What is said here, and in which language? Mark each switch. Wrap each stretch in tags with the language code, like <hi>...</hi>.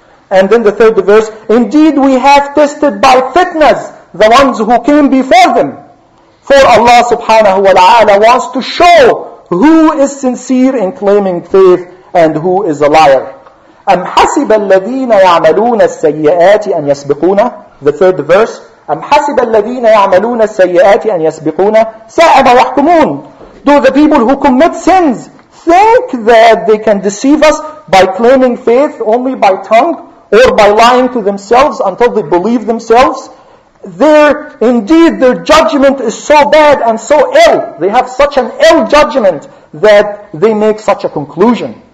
<en>And then the third verse, indeed we have tested by fitnas the ones who came before them. For Allah subhanahu wa ta'ala wants to show who is sincere in claiming faith and who is a liar.</en> <ar>أَمْ حَسِبَ الَّذِينَ يَعْمَلُونَ السَّيِّئَاتِ أَنْ يَسْبِقُونَ.</ar> <en>The third verse,</en> <ar>أَمْ حَسِبَ الَّذِينَ يَعْمَلُونَ السَّيِّئَاتِ أَنْ يَسْبِقُونَ سَأَبَ يَحْكُمُونَ.</ar> <en>Do the people who commit sins think that they can deceive us by claiming faith only by tongue or by lying to themselves until they believe themselves? Indeed, their judgment is so bad and so ill. They have such an ill judgment that they make such a conclusion.</en>